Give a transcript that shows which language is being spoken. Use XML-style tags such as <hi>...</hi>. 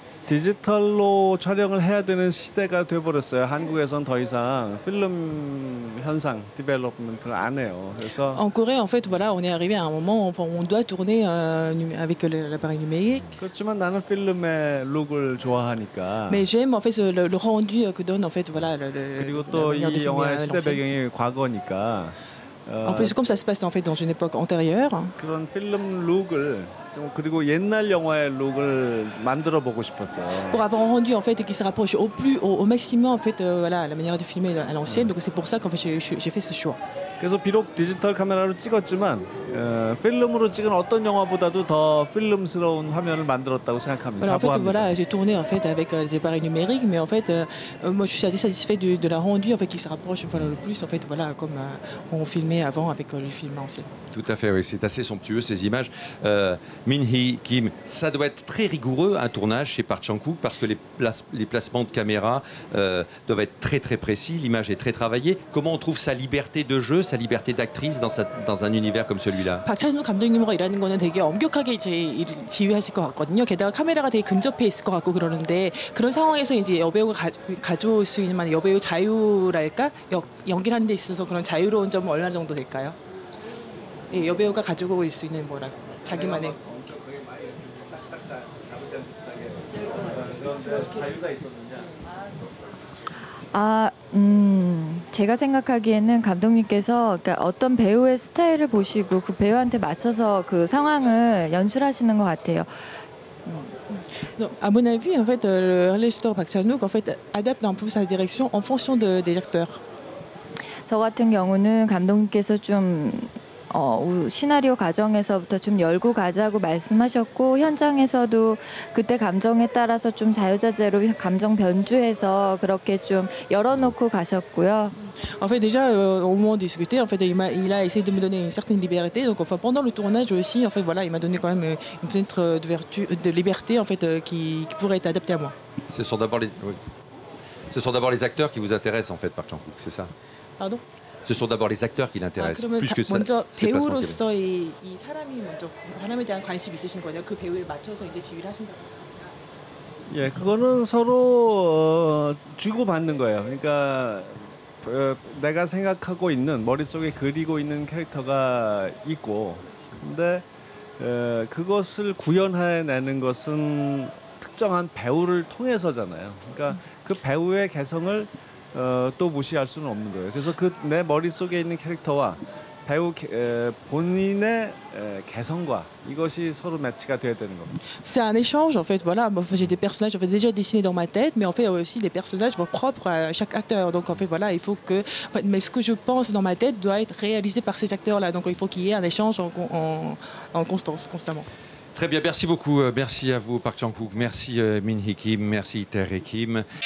<ko>디지털로 촬영을 해야 되는 시대가 돼버렸어요. 한국에서는 더 이상 필름 현상 디벨롭먼트를 안 해요. 그래서</ko> <fr>en Corée, en fait, voilà, on est arrivé à un moment où on doit tourner avec l'appareil numérique.</fr> <ko>그렇지만 나는 필름의 룩을 좋아하니까.</ko> <fr>Mais j'aime en fait le rendu que donne en fait voilà le</fr> <ko>그리고 또 이 영화의 시대 배경이 과거니까.</ko> <fr>En plus, comme ça se passe en fait dans une époque antérieure.</fr> <ko>그런 필름 룩을 그리고 옛날 영화의 룩을 만들어 보고 싶었어요.</ko> <fr>Pour avoir un rendu en fait qui se rapproche au maximum en fait voilà la manière de filmer à l'ancienne. Donc c'est pour ça qu'en fait j'ai fait ce choix.</fr> <ko>그래서 비록 디지털 카메라로 찍었지만 필름으로 찍은 어떤 영화보다도 더 필름스러운 화면을 만들었다고 생각합니다.</ko> <fr>Voilà, en fait, voilà, j'ai tourné en fait avec des appareils numériques, mais en fait, moi, je suis assez satisfait de la rendu en fait qui se rapproche voilà le plus en fait voilà comme on filmait avant avec le film ancien. Tout à fait, oui, c'est assez somptueux ces images. Min-hee Kim, ça doit être très rigoureux un tournage chez Park Chan-wook parce que les placements de caméra doivent être très très précis, l'image est très travaillée. Comment on trouve sa liberté de jeu, sa liberté d'actrice dans un univers comme celui-là?</fr> <ko>Park Chan-wook 감독님과 일하는 거는 되게 엄격하게 지휘하실 것 같거든요. 게다가 카메라가 되게 근접해 있을 것 같고 그러는데 그런 상황에서 이제 여배우가 가져올 수 있는 여배우 자유랄까 연기하는 데 있어서 그런 자유로운 점 얼마 정도 될까요? 예, 여배우가 가지고 올 수 있는 뭐라 자기만의 아, 제가 생각하기에는 감독님께서 그러니까 어떤 배우의 스타일을 보시고 그 배우한테 맞춰서 그 상황을 연출하시는 것 같아요.</ko> <fr>Donc, à mon avis, en fait, le réalisateur Park Chan-wook en fait adapte un peu sa direction en fonction des acteurs.</fr> <ko>저 같은 경우는 감독님께서 좀 시나리오 과정에서부터 좀 열고 가자고 말씀하셨고 현장에서도 그때 감정에 따라서 좀 자유자재로 감정 변주해서 그렇게 좀 열어놓고 가셨고요.</ko> <fr>En fait, déjà au moment de discuter, en fait, il a essayé de me donner une certaine liberté. Donc, enfin, pendant le tournage aussi, en fait, voilà, il m'a donné quand même une fenêtre de vertu, de liberté, en fait, qui pourrait être adaptée à moi. Ce sont d'abord les, oui. Ce sont d'abord les acteurs qui vous intéressent, en fait, Park Chan-wook, c'est ça? Pardon? Ce sont d'abord les acteurs qui l'intéressent, ah, plus que ça.</fr> <ko>먼저 배우로서 이 사람이 먼저 사람에 대한 관심이 있으신 거예요. 그 배우에 맞춰서 이제 지휘를 하신 거예요. 예, 그거는 서로 주고 받는 거예요. 그러니까 내가 생각하고 있는 머릿속에 그리고 있는 캐릭터가 있고, 근데 그것을 구현해내는 것은 특정한 배우를 통해서잖아요. 그러니까 그 배우의 개성을 또 무시할 수는 없는 거예요. 그래서 그 내 머릿속에 있는 캐릭터와 배우 본인의 개성과 이것이 서로 매치가 돼야 되는 겁니다.</ko> <fr>C'est un échange en fait. Voilà, moi j'ai des personnages en fait déjà dessinés dans ma tête, mais en fait aussi des personnages propres à chaque acteur. Donc en fait voilà, il faut que en fait, mais ce que je pense dans ma tête doit être réalisé par ces acteurs là. Donc il faut qu'il y ait un échange en constance constamment. Très bien, merci beaucoup. Merci à vous Park Chan-wook, merci Min Hee Kim, merci Tae Rae Kim.</fr>